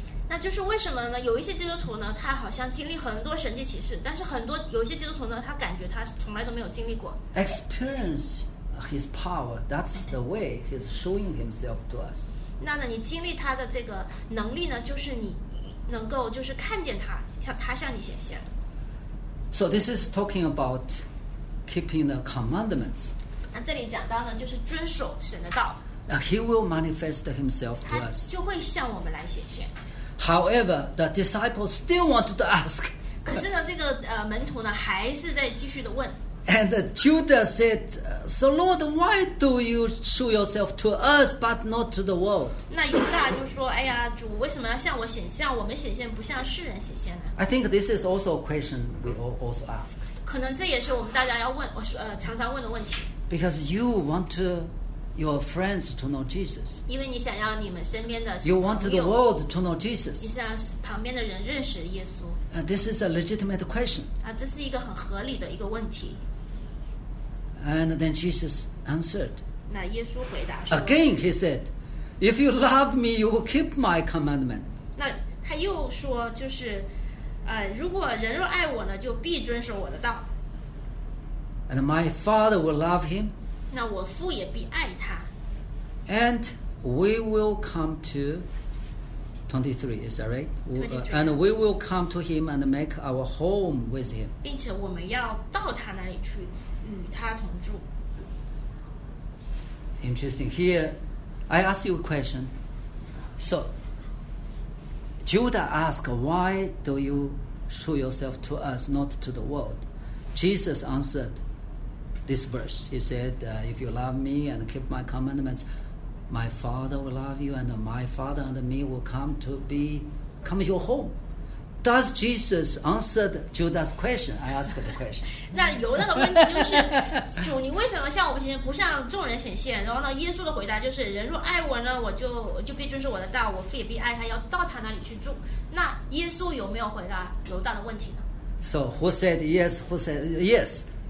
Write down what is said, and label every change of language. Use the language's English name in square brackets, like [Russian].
[Chinese] 那就是为什么呢？有一些基督徒呢，他好像经历很多神迹奇事，但是有一些基督徒呢，他感觉他从来都没有经历过。 [English] Experience his power. That's the way he's showing himself to us. [Chinese] 那呢，你经历他的这个能力呢，就是你能够就是看见他，他向你显现。 [English] So this is talking about keeping the commandments. [Chinese] 那这里讲到呢，就是遵守神的道。 [English] He will manifest himself to us. [Chinese] 他就会向我们来显现。 [English] However, the disciples still wanted to ask. [Chinese] 可是呢，这个门徒呢，还是在继续的问。 [English] And Judas said, "So Lord, why do you show yourself to us but not to the world?" [Chinese] 那犹大就说：“哎呀，主为什么要向我显现？我们显现不向世人显现呢？” [English] I think this is also a question we all also ask. [Chinese] 可能这也是我们大家要问，常常问的问题。 [English] Because you want to. Your friends to know Jesus. [Chinese] 因为你想要你们身边的 [English] You want the world to know Jesus. [Chinese] 你想要旁边的人认识耶稣。 [English] And this is a legitimate question. [Chinese] 这是一个很合理的一个问题。 [English] And then Jesus answered. [Chinese] 那耶稣回答说。 [English] Again, he said, "If you love me, you will keep my commandment." [Chinese] 那他又说，就是，如果人若爱我呢，就必遵守我的道。 [English] And my Father will love him. [Chinese] 那我父也必爱他。 [English] And we will come to 23, is that right? 23. And we will come to him and make our home with him. [Chinese] 并且我们要到他那里去与他同住。 [English] Interesting. Here, I ask you a question. So, Judah asked, why do you show yourself to us, not to the world? Jesus answered,This verse, he said, if you love me and keep my commandments, my Father will love you and my Father and me will come to your home. Does Jesus answer Judah's question? I ask the question. [Chinese] 那犹大的问题就是，主，你为什么向我们显现，不向众人显现？然后呢，耶稣的回答就是，人若爱我呢，我就必遵守我的道，我父也必爱他，要到他那里去住。那耶稣有没有回答犹大的问题呢？ [English] So who said yes? Who said yes?